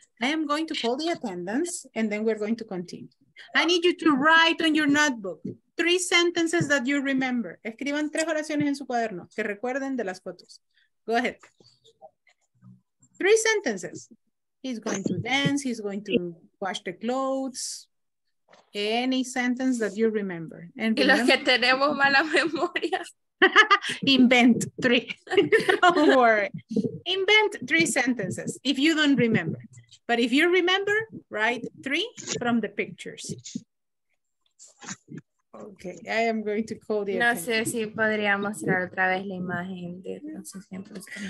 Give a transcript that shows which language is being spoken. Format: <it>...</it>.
<en>I am going to call the attendance and then we're going to continue. I need you to write on your notebook three sentences that you remember.</en> <es>Escriban tres oraciones en su cuaderno que recuerden de las fotos.</es> <en>Go ahead. Three sentences. He's going to dance. He's going to wash the clothes. Any sentence that you remember. And remember,</en> <es>los que tenemos mala memoria.</es> <en>Invent three. Don't worry. Invent three sentences if you don't remember. But if you remember, write three from the pictures. Okay, I am going to call the</en> <es>attention. No sé si podría mostrar otra vez la imagen de los ejemplos.</es>